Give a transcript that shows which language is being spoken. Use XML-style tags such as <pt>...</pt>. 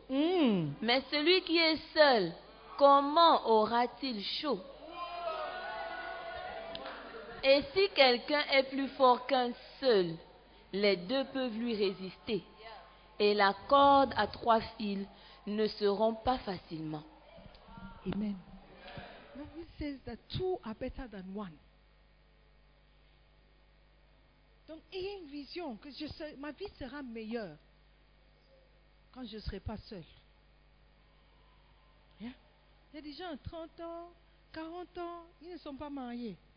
<fr>Mais celui qui est seul, comment aura-t-il chaud? Et si quelqu'un est plus fort qu'un seul, les deux peuvent lui résister. Et la corde à trois fils ne se rompt pas facilement. Amen.</fr> <en>The Bible says that two are better than one.</en> <fr>Donc, ayez une vision que ma vie sera meilleure quand je ne serai pas seule.</fr> <en>Yeah?</en> <fr>Il y a des gens 30 ans, 40 ans, ils ne sont pas mariés.</fr>